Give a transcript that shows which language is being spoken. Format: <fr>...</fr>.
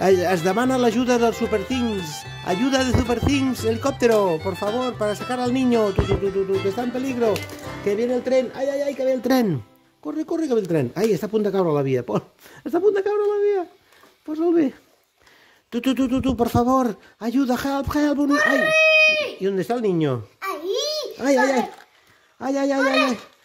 <ca>Es demana l'ajuda dels Super Things.</ca> <es>Ayuda de Super Things. Helicóptero, por favor, para sacar al niño. Que está en peligro. Que viene el tren. Ay, ay, ay, que viene el tren. Corre, corre,</es> <ca>que ve el tren. Ai, està a punt de caure la via, Pol. Està a punt de caure la via. Posa'l bé. Tu, tu, tu, tu, tu,</ca> <es>por favor.</es> <ca>Ajuda,</ca> <en>help, help.</en> <ca>Corre! Ai. I on està el niño?</ca> <es>Ahí. Ai, ai, ai. Ai, ai, ai, ai.</es>